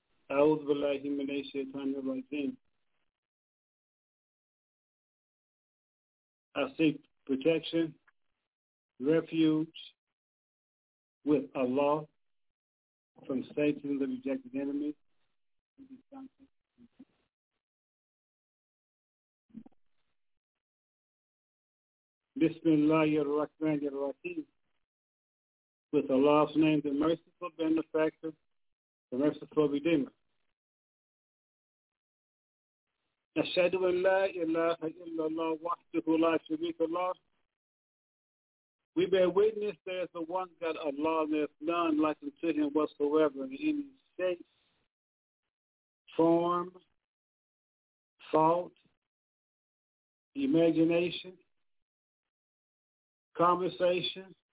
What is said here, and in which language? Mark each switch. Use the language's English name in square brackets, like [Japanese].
[Arabic] أعوذ بالله من الشيطان الرجيم. [English] I seek protection, refuge with Allah from Satan, the rejected enemy. Bismillahirrahmanirrahim. With Allah's name, the merciful benefactor, the merciful redeemer. [Arabic] أشهد أن لا إله إلا الله وحده لا شريك له. [English] We bear witness there is the one God Allah, and there is none like unto Him whatsoever in any shape, form, thought, imagination, conversation.